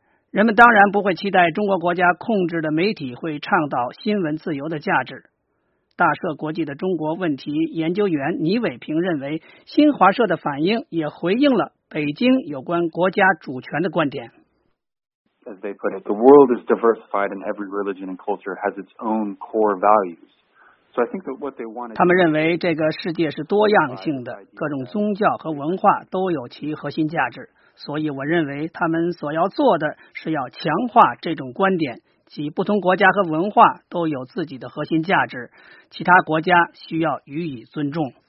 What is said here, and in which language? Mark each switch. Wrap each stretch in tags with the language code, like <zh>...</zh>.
<zh>人们当然不会期待中国国家控制的媒体会倡导新闻自由的价值。大社国际的中国问题研究员倪伟平认为，新华社的反应也回应了北京有关国家主权的观点。</zh> <en>As they put it, the world is diversified and every religion and culture has its own core values. So I think that what they wanted.</en> <zh>他们认为这个世界是多样性的，各种宗教和文化都有其核心价值。所以我认为他们所要做的是要强化这种观点，即不同国家和文化都有自己的核心价值，其他国家需要予以尊重。</zh>